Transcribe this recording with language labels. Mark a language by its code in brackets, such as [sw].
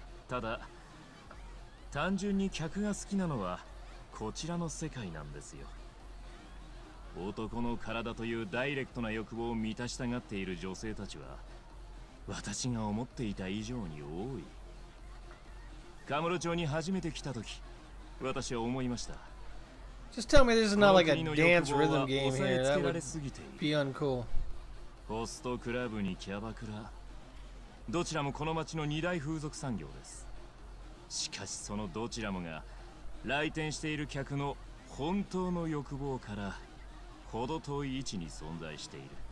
[ja] ただ単純に客が好きなのはこちらの世界なんですよ。男の体というダイレクトな欲望を満たしたがっている女性たちは私が思っていた以上に多い。カムロ町に初めて来た時、私は思いました。 [en] Just tell me this is not like a dance rhythm game here. That would be uncool. [ja] ホストクラブにキャバクラ、どちらもこの町の二大風俗産業です。しかしそのどちらもが来店している客の本当の欲望から程遠い位置に存在している。